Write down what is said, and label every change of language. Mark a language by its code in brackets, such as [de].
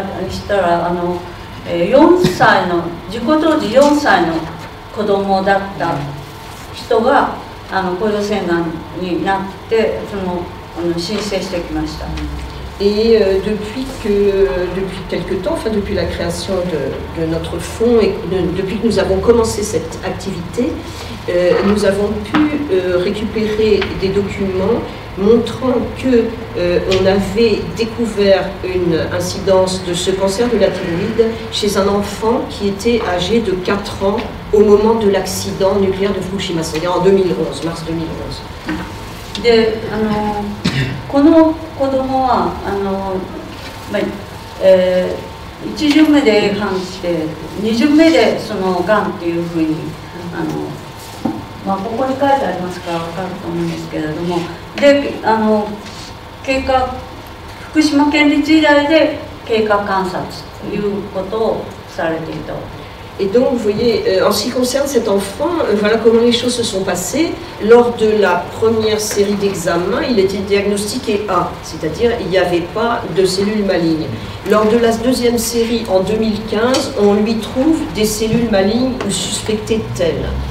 [ja] したらあの4歳の事故当時4歳の子供だった人があの甲状腺がんになってその申請してきました。 [fr] Et depuis quelques temps, enfin depuis la création de notre fonds et depuis que nous avons commencé cette activité, nous avons pu récupérer des documents montrant qu'on avait découvert une incidence de ce cancer de la thyroïde chez un enfant qui était âgé de 4 ans au moment de l'accident nucléaire de Fukushima, c'est-à-dire en 2011, mars 2011. [ja] で、あの、この子供は、あの、まあ、1巡目で A 班して、2巡目でそのがんっていうふうに、あの、まあ、ここに書いてありますから分かると思うんですけれども、で、あの、経過、福島県立医大で経過観察ということをされていた。 [fr] Et donc, vous voyez, en ce qui concerne cet enfant, voilà comment les choses se sont passées. Lors de la première série d'examens, il était diagnostiqué A, c'est-à-dire il n'y avait pas de cellules malignes. Lors de la deuxième série, en 2015, on lui trouve des cellules malignes ou suspectées telles.